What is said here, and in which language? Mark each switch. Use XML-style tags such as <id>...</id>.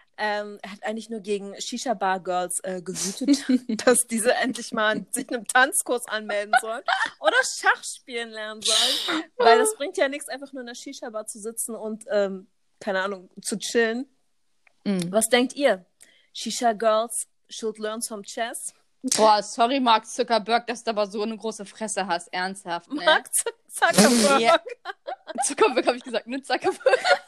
<de>Er hat eigentlich nur gegen Shisha-Bar-Girls gewütet, dass diese endlich mal sich einem Tanzkurs anmelden sollen oder Schach spielen lernen sollen. Weil das bringt ja nichts, einfach nur in der Shisha-Bar zu sitzen und keine Ahnung, zu chillen. Mm. Was denkt ihr?</de> <en>Shisha Girls should learn some chess?</en> <de>Boah, sorry Mark Zuckerberg, dass du aber so eine große Fresse hast. Ernsthaft, ne?</de> <en>Mark Zuckerberg. Yeah.</en> <de>Zuckerberg habe ich gesagt, ne? Zuckerberg.</de>